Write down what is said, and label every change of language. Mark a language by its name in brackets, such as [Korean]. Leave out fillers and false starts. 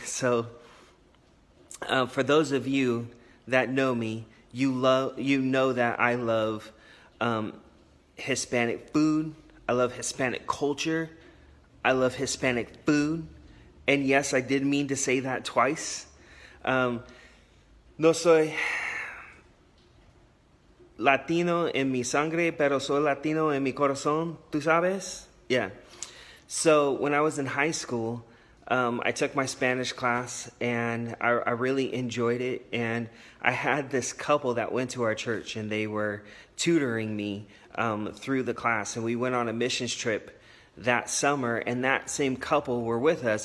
[English] So for those of you that know me, you know that I love Hispanic food. I love Hispanic culture. I love Hispanic food. And yes, I did mean to say that twice. [Spanish] No soy Latino en mi sangre, pero soy Latino en mi corazón. ¿Tú sabes? Yeah. [English] So when I was in high school, I took my Spanish class and I really enjoyed it. And I had this couple that went to our church and they were tutoring me through the class. And we went on a missions trip that summer and that same couple were with us.